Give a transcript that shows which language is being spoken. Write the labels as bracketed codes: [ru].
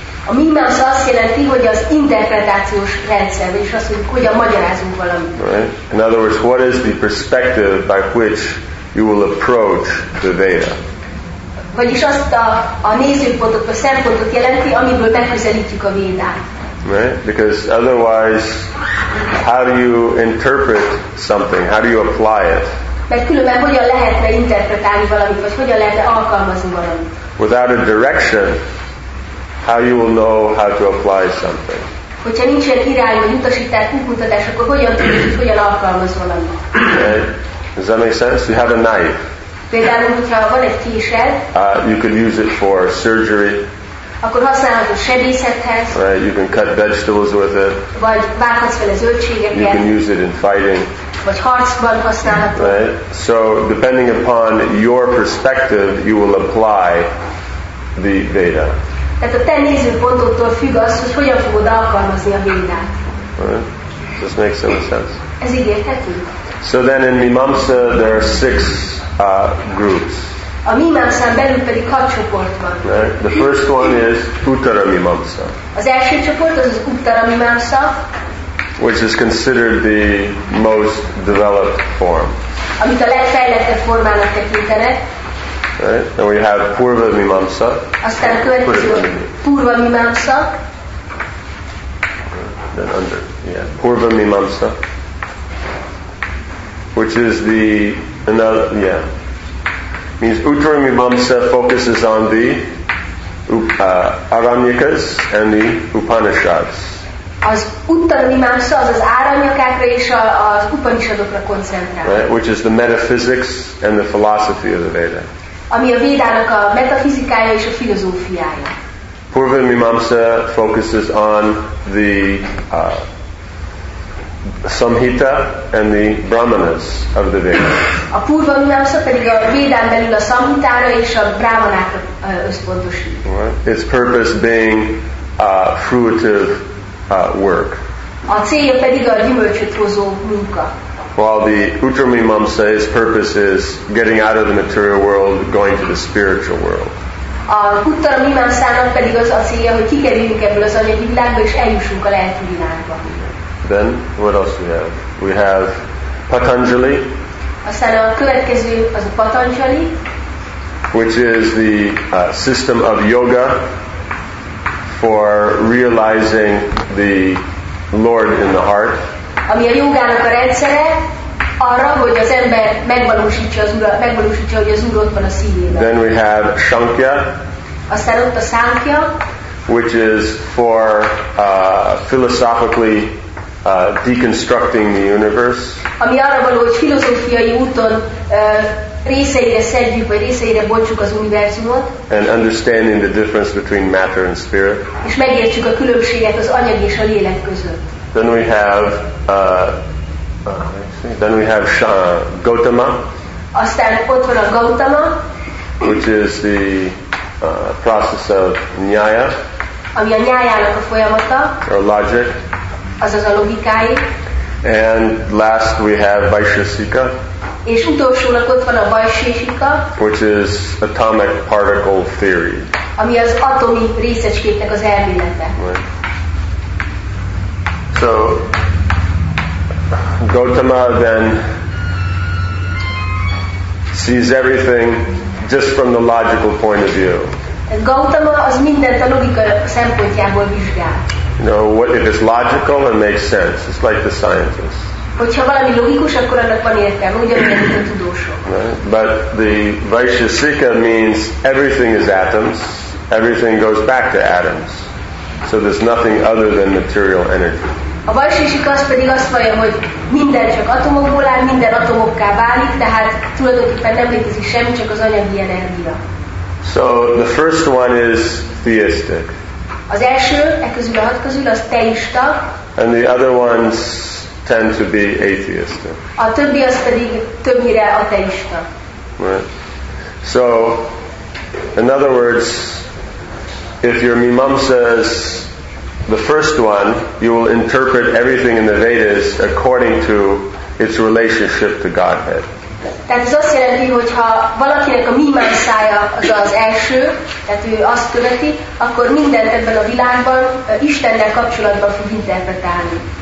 [hu] A Mimamsa azt jelenti, hogy az interpretációs rendszer, vagyis az, hogyan magyarázunk valamit. [en] Right? In other words, what is the perspective by which you will approach the Veda? [hu] Vagyis azt a nézőpontot, a szempontot jelenti, amiből megközelítjük a Védát. [en] Right? Because otherwise, how do you interpret something? How do you apply it? [hu] Mert különben hogyan lehetne interpretálni valamit, vagy hogyan lehetne alkalmazni valamit? [en] Without a direction, how you will know how to apply something? [hu] Hogyha nincsen irány, vagy utasítás, útmutatás, akkor hogyan tudod, hogy hogyan alkalmaz valamit? [en] Okay. Does that make sense? You have a knife. [hu] Például, hogyha van egy késed, [en] You could use it for surgery. [hu] Akkor használhatod sebészethez. [en] Right, you can cut vegetables with it. [hu] Vagy vághatsz fel a zöldségeket. [en] You can use it in fighting. [hu] Vagy harcban használhatod. [en] Right, so depending upon your perspective, you will apply the Veda. [hu] Tehát a te nézőpontodtól függ az, hogy hogyan fogod alkalmazni a Védát. [en] Right, this makes some sense. [hu] Ez így érthető? [en] So then in Mimamsa there are six groups. [hu] A Mimamsán belül pedig hat csoport van. [en] Right. The first one is Uttara Mimamsa. [hu] Az első csoport az Uttara Mimamsa, [en] which is considered the most developed form. [hu] Amit a legfejlettebb formának tekintenek. [en] Right. And we have Purva Mimamsa. [hu] Aztán a következő Purva Mimamsa. [en] Then under, yeah, Purva Mimamsa, which is the another, yeah. Means Uttara Mimamsa focuses on the Aranyakas and the Upanishads. [hu] Az Uttara Mimamsa az Aranyakákra és az Upanishadokra koncentrál. [en] Right, which is the metaphysics and the philosophy of the Veda. [hu] Ami a Védának a metafizikája és a filozófiája. [en] Purva Mimamsa focuses on the Samhita and the Brahmanas of the Veda. [hu] A Purva Mimamsa pedig a Védán belül a Samhitára és a Brahmanákra összpontosít. [en] Its purpose being fruitive work. [hu] A célja pedig a gyümölcsöt hozó munka. [en] While the Uttara Mimamsa, his purpose is getting out of the material world, going to the spiritual world. [hu] A Uttara Mimamsának pedig az a célja, hogy kikerüljünk ebből az anyagi világba és eljussunk a lelki világba. [en] Then what else we have? We have Patanjali. [hu] Aztán a következő az a Patanjali, [en] which is the system of yoga for realizing the Lord in the heart. [hu] Ami a jogának a rendszere arra, hogy az ember megvalósítja, hogy az Úr ott van a szívében. [en] Then we have Shankhya. [hu] Aztán ott a Shankhya, [en] which is for philosophically deconstructing the universe. [hu] Ami arra való, hogy filozófiai úton részeire szedjük, vagy részeire bontsuk az univerzumot. [en] And understanding the difference between matter and spirit. [hu] És megértsük a különbséget az anyag és a lélek között. [en] Then we have Gautama. [hu] Aztán ott van a Gautama, [en] which is the process of nyaya. [hu] Ami a nyájának a folyamata. [en] Or logic. [hu] Azaz a logikái. [en] And last we have Vaisheshika. [hu] És utolsónak ott van a Vaisheshika, [en] which is atomic particle theory. [hu] Ami az atomi részecskéknek az elmélete. [en] Right. So Gautama then sees everything just from the logical point of view. [hu] Gautama az mindent a logika szempontjából vizsgál. [en] No, what if it's logical and makes sense? It's like the scientist. [hu] Hogyha valami logikus, akkor annak van értelme, ugyanúgy a tudósok. [en] But the Vaisheshika means everything is atoms, everything goes back to atoms. So there's nothing other than material energy. [hu] A Vaisheshika azt pedig azt mondja, hogy minden csak atomokból áll, minden atomokká válik, tehát tulajdonképpen nem létezik semmi, csak az anyagi energia. [en] So the first one is theistic. [hu] Az első, e közül a hat közül, az teista. [en] And the other ones tend to be atheistic. [hu] A többi az pedig többnyire ateista. [en] Right. So, in other words, if your imam says the first one, you will interpret everything in the Vedas according to its relationship to Godhead. [hu] Tehát ez azt jelenti, hogy ha valakinek a imám szája az az első, tehát ő azt követi, akkor mindent ebben a világban Istennel kapcsolatban fog interpretálni.